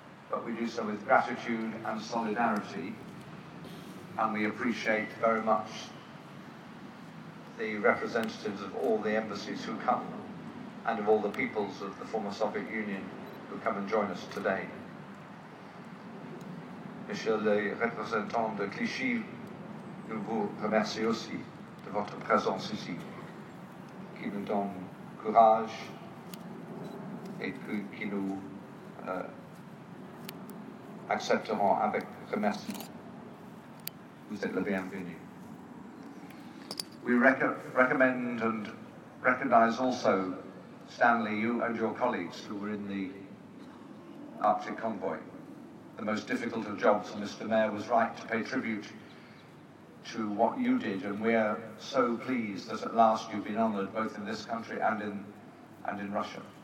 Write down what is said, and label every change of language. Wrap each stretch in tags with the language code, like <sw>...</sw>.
<en>But we do so with gratitude and solidarity, and we appreciate very much the representatives of all the embassies who come, and of all the peoples of the former Soviet Union who come and join us today.</en> <fr>Monsieur le représentant de Clichy, nous vous remercions aussi de votre présence ici, qui nous donne courage et qui nous accepterons avec remerciement. Vous êtes le bienvenu.</fr> <en>We recommend and recognize also, Stanley, you and your colleagues who were in the Arctic convoy. The most difficult of jobs, and Mr. Mayor was right to pay tribute to what you did, and we are so pleased that at last you've been honoured both in this country and in Russia.</en>